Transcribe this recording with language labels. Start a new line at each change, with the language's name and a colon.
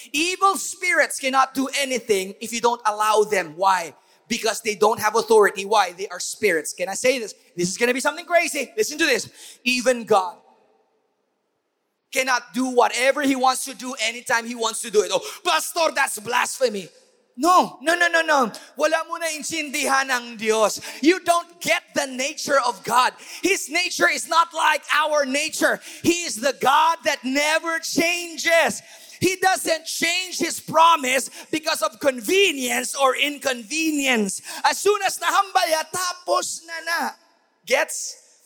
English: Evil spirits cannot do anything if you don't allow them. Why? Because they don't have authority. Why? They are spirits. Can I say this? This is going to be something crazy. Listen to this. Even God cannot do whatever He wants to do anytime He wants to do it. Oh, Pastor, that's blasphemy. No.
Hiligaynon: Wala mo na intindihan ang Diyos.
English: You don't get the nature of God. His nature is not like our nature. He is the God that never changes. He doesn't change His promise because of convenience or inconvenience. As soon as
Hiligaynon: nahambaya, tapos na na. Gets?